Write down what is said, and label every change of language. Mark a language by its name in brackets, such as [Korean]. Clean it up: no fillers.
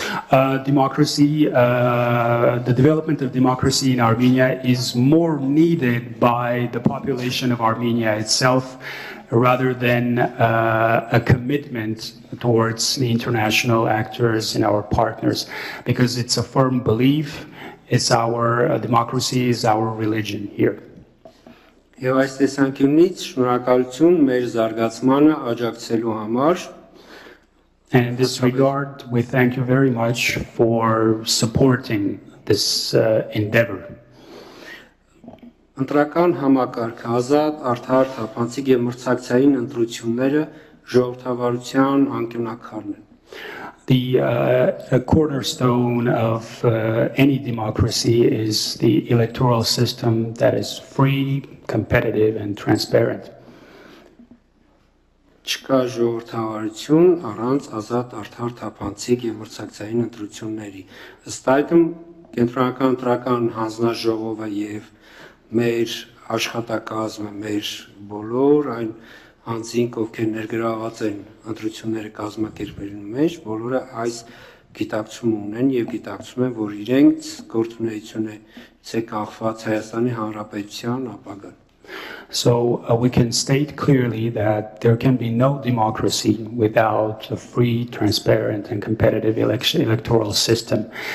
[English] Democracy, the development of democracy in Armenia is more needed by the population of Armenia itself rather than a commitment towards the international actors and our partners, because it's a firm belief, it's our democracy, is our religion here. [Armenian] Եվ այս տեսանկյունից շնորհակալություն մեր զարգացմանը աջակցելու համար։ [English] And in this regard, we thank you very much for supporting this endeavor. [Armenian] Ընտրական համակարգ, ազատ, արդար, թափանցիկ եւ մրցակցային ընտրությունները ժողովրդավարության անկյունաքարն են։ [English] The cornerstone of any democracy is the electoral system that is free, competitive and transparent. [Armenian] Չկա ժողովրդավարություն առանց ազատ, արդար, թափանցիկ եւ մրցակցային ընտրությունների։ Ըստ այդմ կենտրոնական ընտրական հանձնաժողովը եւ մեր աշխատակազմը, մեր բոլոր այն անձինք, ովքեր ներգրաված են ընտրությունները կազմակերպելու մեջ, բոլորը այս գիտակցում ունեն եւ գիտակցում են, որ իրենց գործունեությունը ցե կախված Հայաստանի Հանրապետության ապագան։ [English] So we can state clearly that there can be no democracy without a free, transparent, and competitive electoral system.